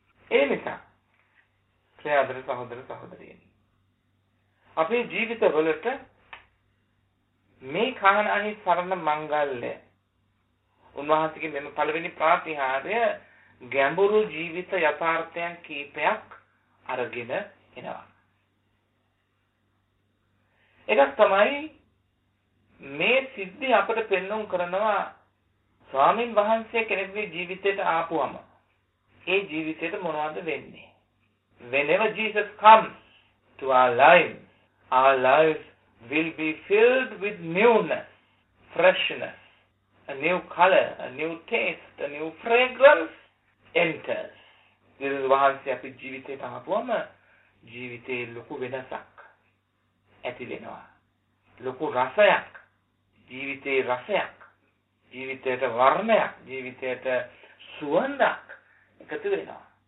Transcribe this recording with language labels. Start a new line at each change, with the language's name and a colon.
Sinhala: ඒ නිසා ප්‍රියදර සහෝදර සහෝදරියනි, අපේ ජීවිත වලට මේ කහනාහි සරණ මංගල්‍යය උන්වහන්සේගේ මෙම පළවෙනි ප්‍රාතිහාර්ය ගැඹුරු ජීවිත යථාර්ථයන් කීපයක් අරගෙන එනවා. එකක් තමයි මේ සිද්ධි අපට පෙන්නුම් කරනවා ස්වාමින් වහන්සේ කෙනෙක්ගේ ජීවිතයට ආපුවම ඒ ජීවිතයට මොනවද වෙන්නේ.
English: Whenever Jesus comes to our lives will be filled with newness, freshness, a new color, a new taste, a new fragrance enters.
Sinhala: Jesus වහන්සේ අපි ජීවිතයට ආපුවම ජීවිතේ ලොකු වෙනසක් ඇති වෙනවා. ලොකු රසයක්, ජීවිතයේ රසයක්, ජීවිතයට වර්ණයක්, ජීවිතයට සුවඳක් එකතු වෙනවා.